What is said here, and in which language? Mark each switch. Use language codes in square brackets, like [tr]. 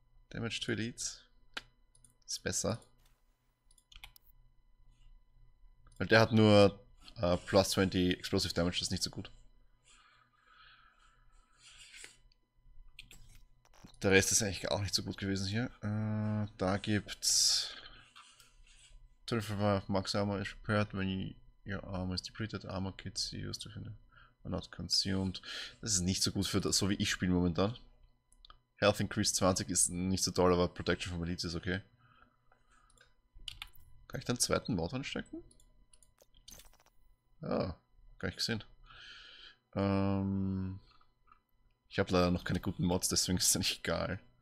[de] Damage to Elites. Ist besser. Weil der hat nur plus 20 Explosive Damage, das ist nicht so gut. Der Rest ist eigentlich auch nicht so gut gewesen hier. Da gibt's [en] 25 Max Armor is prepared when your armor is depleted. Armor kits you used to find are not consumed. [de] Das ist nicht so gut für das, so wie ich spiele momentan. Health Increase 20 ist nicht so toll, aber Protection from Elites ist okay. Kann ich dann einen zweiten Mod anstecken? Ja, oh, gar nicht gesehen. Ich habe leider noch keine guten Mods, deswegen ist es nicht egal.